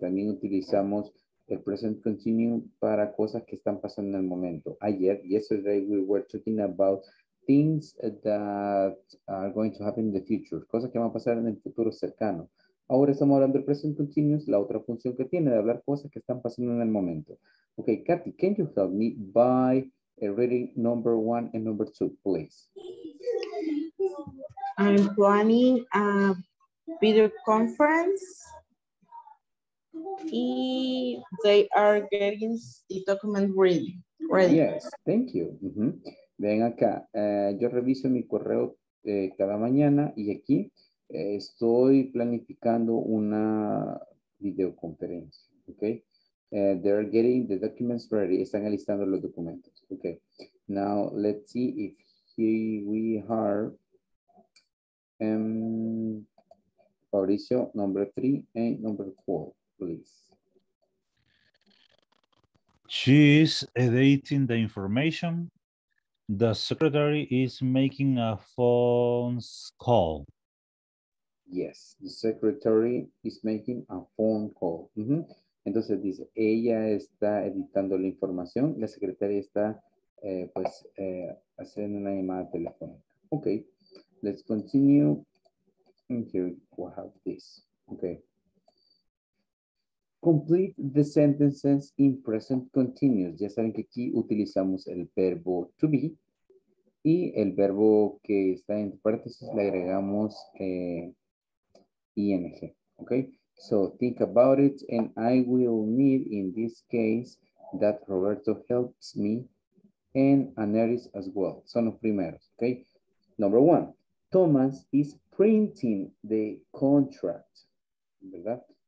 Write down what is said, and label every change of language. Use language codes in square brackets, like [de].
[es] También utilizamos el present continuous para cosas que están pasando en el momento. [en] Ayer, yesterday, we were talking about things that are going to happen in the future. [es] Cosas que van a pasar en el futuro cercano. Ahora estamos hablando del present continuous, la otra función que tiene de hablar cosas que están pasando en el momento. [en] Okay, Kathy, can you help me by reading number one and number two, please? I'm planning a video conference. And they are getting the document ready. Yes, thank you. Mm-hmm. [es] Ven acá, yo reviso mi correo cada mañana y aquí. Estoy planificando una videoconferencia, okay? [en] They're getting the documents ready. [es] Están alistando los documentos, [en] okay? Now let's see if we have Fabricio, number three and number four, please. She is editing the information. The secretary is making a phone call. Yes, the secretary is making a phone call. Mm-hmm. [es] Entonces dice, ella está editando la información, la secretaria está haciendo una llamada telefónica. [en] Okay, let's continue. Here we have this. Okay. Complete the sentences in present continuous. [es] Ya saben que aquí utilizamos el verbo to be y el verbo que está en paréntesis le agregamos ing. [en] Okay. So think about it, and I will need in this case that Roberto helps me and Aneris as well. [es] Son los primeros. [en] Okay. Number one, Thomas is printing the contract. ¿Verdad?